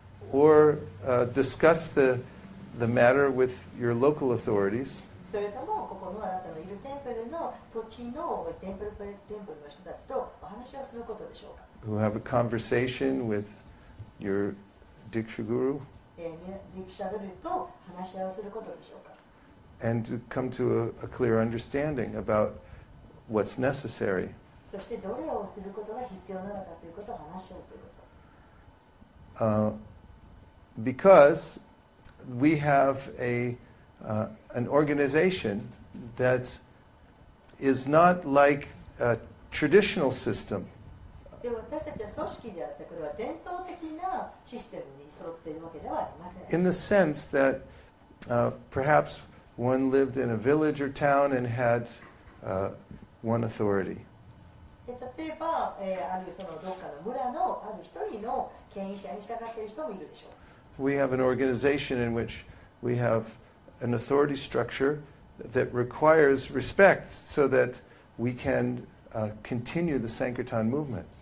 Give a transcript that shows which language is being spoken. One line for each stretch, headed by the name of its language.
English: Or discuss the matter with your local authorities.
Japanese: それともここのあなたのいるテンプルの土地のテンプルの人たちとお話をすることでしょうか。
English: Who have a conversation with your Diksha Guru?
Japanese: Diksha Guru と話し合いをすることでしょうか。
English: And to come to a clear understanding about what's necessary.
Japanese: そしてどれをすることが必要なのかということを話し合うということ。
English: Because we have an organization that is not like a traditional system.
Japanese: で、私たちは組織であって、これは伝統的なシステムに沿っているわけではありません。
English: In the sense that perhaps one lived in a village or town and had one authority.
Japanese: 例えば、あるそのどっかの村のある一人の権威者に従っている人もいるでしょう。
English: We have an organization in which we have an authority structure that requires respect so that we can continue the Sankirtan movement.